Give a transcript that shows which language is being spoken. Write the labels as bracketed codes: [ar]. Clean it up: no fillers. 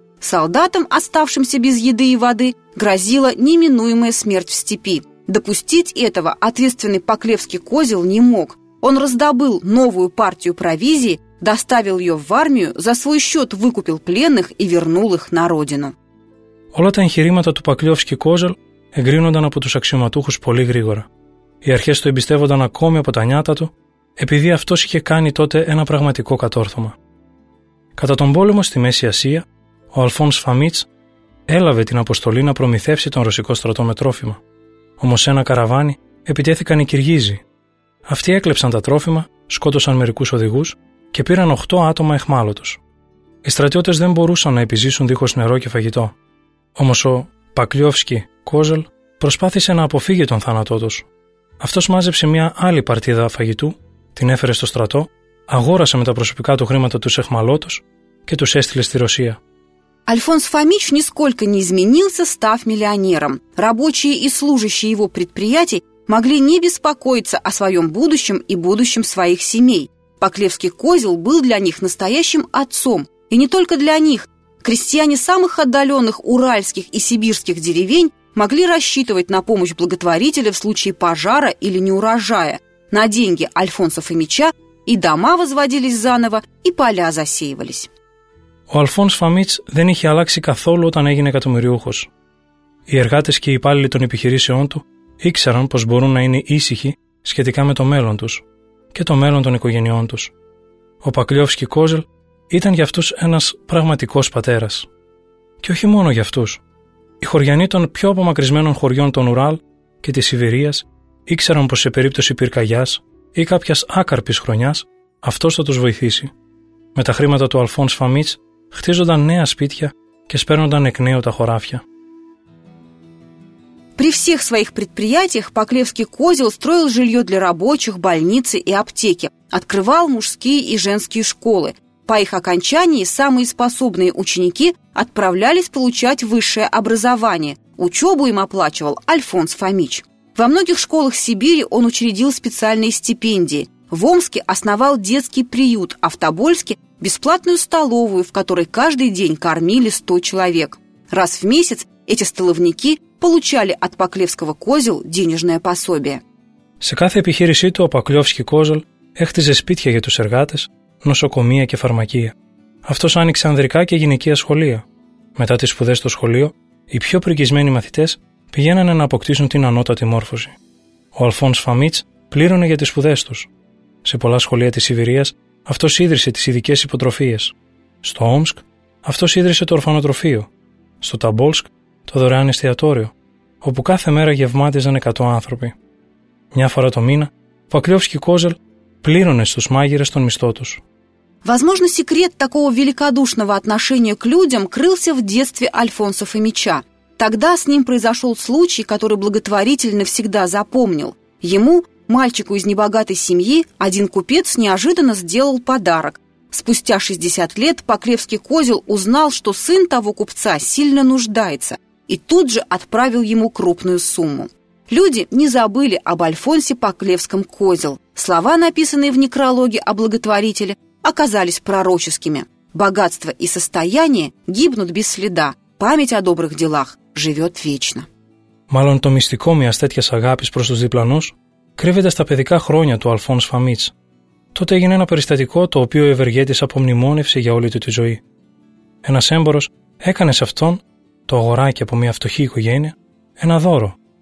[ru] Солдатам, оставшимся без еды и воды, грозила неминуемая смерть в степи. Допустить этого ответственный Поклевский Козел не мог. Он раздобыл новую партию провизии, доставил ее в армию, за свой счет выкупил пленных и вернул их на родину. [el] Όλα τα εγχειρήματα του Поклевский Козел εγκρίνονταν από τους αξιωματούχους πολύ γρήγορα. Οι αρχές του εμπιστεύονταν ακόμη από τα νιάτα του, επειδή αυτός είχε κάνει τότε ένα πραγματικό κατόρθωμα. Κατά τον πόλεμο στη Μέση Ασία, ο Αλφόνς Φομίτς έλαβε την αποστολή να προμηθεύσει τον ρωσικό στρατό με τρόφιμα. Όμως σε ένα καραβάνι επιτέθηκαν οι Κυργίζοι. Αυτοί έκλεψαν τα τρόφιμα, σκότωσαν μερικούς οδηγούς και πήραν 8 άτομα εχμάλωτους. Οι στρατιώτες δεν μπορούσαν να επιζήσουν δίχως νερό και φαγητό. Όμως ο Πακλιόφσκι Κόζελ προσπάθησε να αποφύγει τον θάνατό τους. Αυτός μάζεψε μια άλλη παρτίδα φαγητού, την έφερε στο στρατό, αγόρασε με τα προσωπικά του χρήματα τους εχμαλώτους και τους έστειλε στη Ρωσία. [ru] Альфонс Фомич нисколько не изменился, став миллионером. Рабочие и служащие его предприятий могли не беспокоиться о своем будущем и будущем своих семей. Поклевский Козел был для них настоящим отцом. И не только для них. Крестьяне самых отдаленных уральских и сибирских деревень могли рассчитывать на помощь благотворителя в случае пожара или неурожая. На деньги Альфонса Фомича и дома возводились заново, и поля засеивались. [el] Ο Αλφόνς Φομίτς δεν είχε αλλάξει καθόλου όταν έγινε εκατομμυριούχος. Οι εργάτες και οι υπάλληλοι των επιχειρήσεών του ήξεραν πως μπορούν να είναι ήσυχοι σχετικά με το μέλλον τους και το μέλλον των οικογενειών τους. Ο Πακλιόφσκι Κόζελ ήταν για αυτούς ένας πραγματικός πατέρας. Και όχι μόνο για αυτούς. Οι χωριανοί των πιο απομακρυσμένων χωριών των Ουράλ και της Σιβηρίας ήξεραν πως σε περίπτωση πυρκαγιάς ή κάποιας άκαρπης χρονιάς αυτός θα τους βοηθήσει. Με τα χρήματα του Αλφόνς Φομίτς χτίζονταν νέα σπίτια και σπέρνονταν εκ νέου τα χωράφια. [ru] При всех своих предприятиях Поклевский Козел строил жилье для рабочих, больницы и аптеки, открывал мужские и женские школы. По их окончании самые способные ученики отправлялись получать высшее образование. Учебу им оплачивал Альфонс Фомич. Во многих школах Сибири он учредил специальные стипендии. В Омске основал детский приют, а в Тобольске – бесплатную столовую, в которой каждый день кормили 100 человек. Раз в месяц Эти столовники получали от Поклевского козел денежное пособие. [el] Σε κάθε επιχείρησή του ο Поклевский козел έχτιζε σπίτια για τους εργάτες, νοσοκομεία και φαρμακεία. Αυτός άνοιξε ανδρικά και γυναικεία σχολεία. Μετά τις σπουδές στο σχολείο, οι πιο πριγκισμένοι μαθητές πηγαίνανε να αποκτήσουν την ανώτατη μόρφωση. Ο Αλφόνς Φαμίτς πλήρωνε για τις σπουδές τους. Σε πολλά σχολεία της Σιβηρίας, αυτός ίδρυσε τις ειδικές υποτροφίες. Στο Όμσκ, αυτός ίδρυσε το ορφανοτροφείο. Στο Ταμπόλσκ, το δωρεάν εστιατόριο, όπου κάθε μέρα γευμάτιζαν 100 άνθρωποι. Μια φορά το μήνα, ο Πακλιόφσκι Κόζελ πλήρωνε στους μάγειρες τον μισθό τους. [ru] Возможно, секрет такого великодушного отношения к людям крылся в детстве Альфонса Фомича. Тогда с ним произошел случай, который благотворительно всегда запомнил. Ему, мальчику из небогатой семьи, один купец неожиданно сделал подарок. Спустя 60 лет Поклевский козел узнал, что сын того купца сильно нуждается, и тут же отправил ему крупную сумму. Люди не забыли об Альфонсе Поклевском козел. Слова, написанные в некрологе о благотворителе, оказались пророческими. Богатство и состояние гибнут без следа. Память о добрых делах живет вечно. [el] Μάλλον το μυστικό μιας τέτοιας αγάπης προς τους διπλανούς κρύβεται στα παιδικά χρόνια του Αλφόνς Φαμίτς. Τότε έγινε ένα περιστατικό το οποίο ο ευεργέτης απομνημόνευσε για όλη του τη ζωή. Ένας έμπορος έκανε σε αυτόν, το αγοράκι από μια φτωχή οικογένεια, ένα δώρο.